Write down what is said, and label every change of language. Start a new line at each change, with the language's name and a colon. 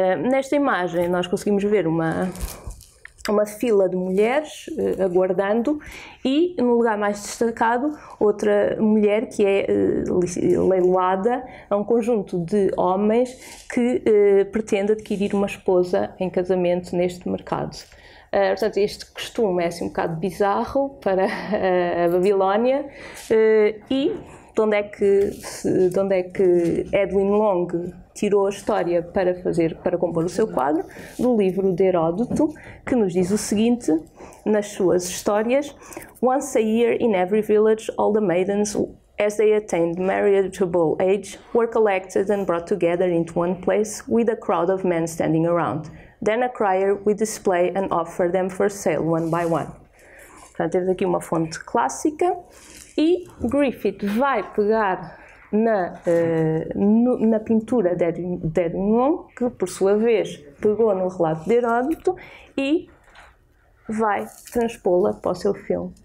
Portuguese: Nesta imagem, nós conseguimos ver uma fila de mulheres aguardando, e no lugar mais destacado, outra mulher que é leiloada a um conjunto de homens que pretende adquirir uma esposa em casamento neste mercado. Portanto, este costume é assim um bocado bizarro para a Babilónia, e de onde é que Edwin Long tirou a história para compor o seu quadro? Do livro de Heródoto, que nos diz o seguinte, nas suas histórias:
English: "Once a year in every village, all the maidens, as they attained marriageable age, were collected and brought together into one place with a crowd of men standing around. Then a crier would display and offer them for sale one by one."
Portuguese: Portanto, temos aqui uma fonte clássica. E Griffith vai pegar na pintura de Edwin Long, que por sua vez pegou no relato de Heródoto, e vai transpô-la para o seu filme.